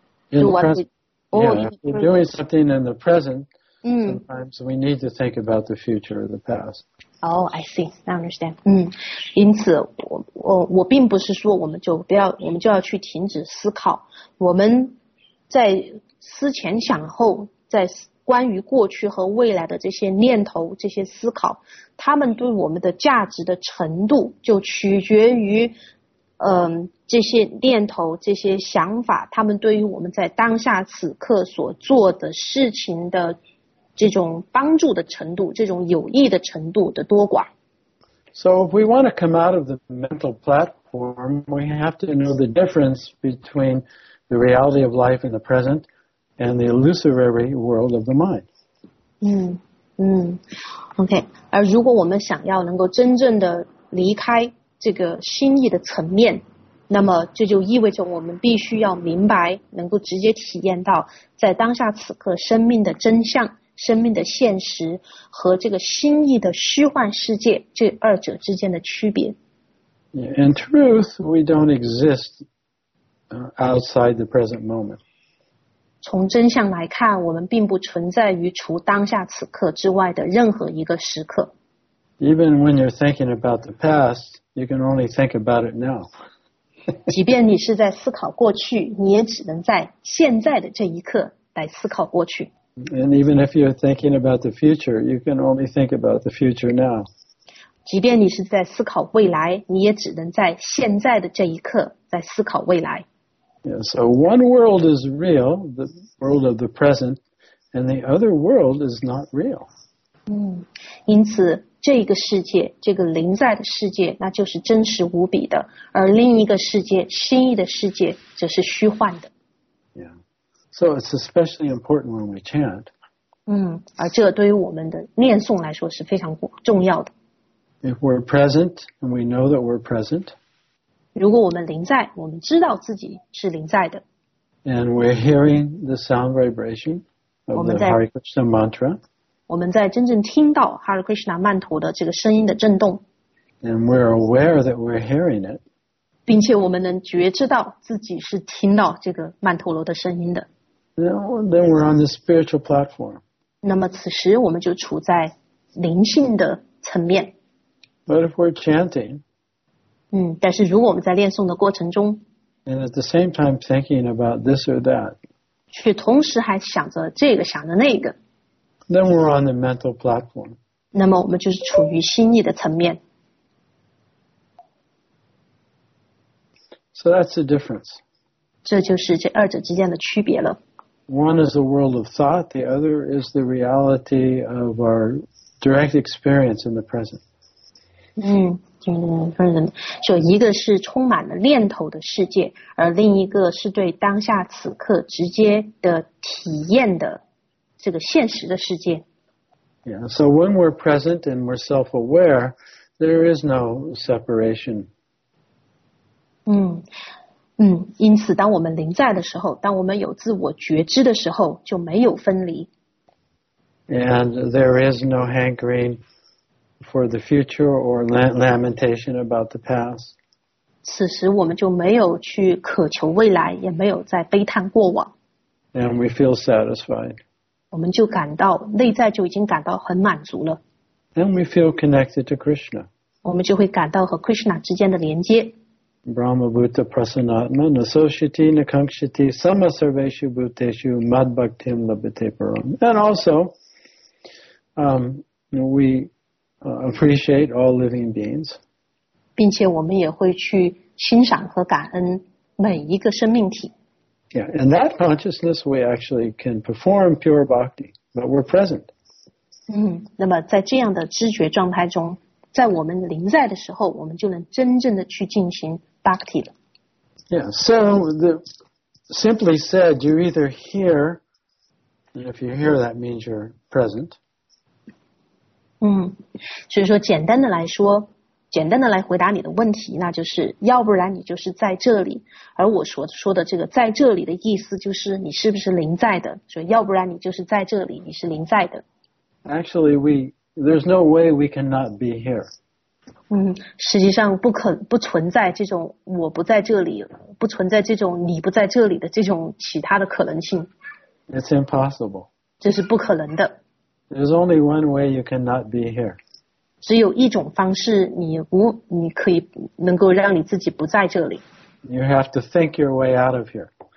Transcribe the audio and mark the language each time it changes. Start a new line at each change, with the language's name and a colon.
English: if we're doing something in the present, sometimes we need to think about the future or the past. Oh, I see. I understand.
Chinese: 因此我并不是说我们就要去停止思考。我们在思前想后，在关于过去和未来的这些念头、这些思考，他们对我们的价值的程度就取决于，这些念头、这些想法，他们对于我们在当下此刻所做的事情的这种帮助的程度、这种有益的程度的多寡。
English: So if we want to come out of the mental platform, we have to know the difference between the reality of life in the present and the illusory world of the mind. 嗯嗯 ，OK。
Chinese: 而如果我们想要能够真正的离开这个心意的层面，那么这就意味着我们必须要明白，能够直接体验到在当下此刻生命的真相。生命的现实和这个心意的虚幻世界这二者之间的区别。
English: In truth, we don't exist outside the present moment.
Chinese: 从真相来看，我们并不存在于除当下此刻之外的任何一个时刻。
English: Even when you're thinking about the past, you can only think about it now.
Chinese: 即便你是在思考过去，你也只能在现在的这一刻来思考过去。
English: And even if you're thinking about the future, you can only think about the future now.
Chinese: 即便你是在思考未来，你也只能在现在的这一刻在思考未来。
English: Yeah, so one world is real, the world of the present, and the other world is not real.
Chinese: 嗯，因此这个世界，这个临在的世界，那就是真实无比的，而另一个世界，心意的世界，则是虚幻的。
English: So it's especially important when we chant.
Chinese: 而这对于我们的念诵来说是非常重要的。
English: If we're present and we know that we're present.
Chinese: 如果我们临在，我们知道自己是临在的。
English: And we're hearing the sound vibration of the Hare Krishna mantra.
Chinese: 我们在真正听到 Hare Krishna 曼陀的这个声音的震动。
English: And we're aware that we're hearing it.
Chinese: 并且我们能觉知到自己是听到这个曼陀罗的声音的。
English: Then we're on the spiritual platform.
Chinese: 那么此时我们就处在灵性的层面。
English: But if we're chanting,
Chinese: 但是如果我们在练诵的过程中
English: and at the same time thinking about this or that,
Chinese: 却同时还想着这个想着那个
English: then we're on the mental platform.
Chinese: 那么我们就是处于心意的层面。
English: So that's the difference.
Chinese: 这就是这二者之间的区别了。
English: One is the world of thought, the other is the reality of our direct experience in the present.
Chinese: 就一个是充满了念头的世界，而另一个是对当下此刻直接的体验的这个现实的世界。
English: Yeah, so when we're present and we're self-aware, there is no separation.
Chinese: 因此当我们临在的时候，当我们有自我觉知的时候，就没有分离。
English: And there is no hankering for the future or lamentation about the past.
Chinese: 此时我们就没有去渴求未来，也没有再悲叹过往。
English: And we feel satisfied.
Chinese: 我们就感到，内在就已经感到很满足了。
English: And we feel connected to Krishna.
Chinese: 我们就会感到和 Krishna 之间的连接。
Sanskrit: Brahma Bhuta Prasanatma Nasoshiti Nakankshiti Samasarveshu Bhuteshu Madbhaktim Labhate Param.
English: And also, we appreciate all living beings.
Chinese: 并且我们也会去欣赏和感恩每一个生命体。
English: Yeah, and that consciousness we actually can perform pure bhakti, but we're present.
Chinese: 那么在这样的知觉状态中，在我们临在的时候，我们就能真正的去进行Bhakti.
English: Yeah, so simply said, you either hear, and if you hear, that means you're present.
Chinese: 所以说简单的来说，简单的来回答你的问题，那就是要不然你就是在这里，而我所说的这个在这里的意思就是你是不是临在的，所以要不然你就是在这里，你是临在的。
English: Actually, there's no way we cannot be here.
Chinese: 实际上不存在这种我不在这里，不存在这种你不在这里的这种其他的可能性。
English: It's impossible.
Chinese: 这是不可能的。
English: There's only one way you cannot be here.
Chinese: 只有一种方式你可以能够让你自己不在这里。
English: You have to think your way out of here.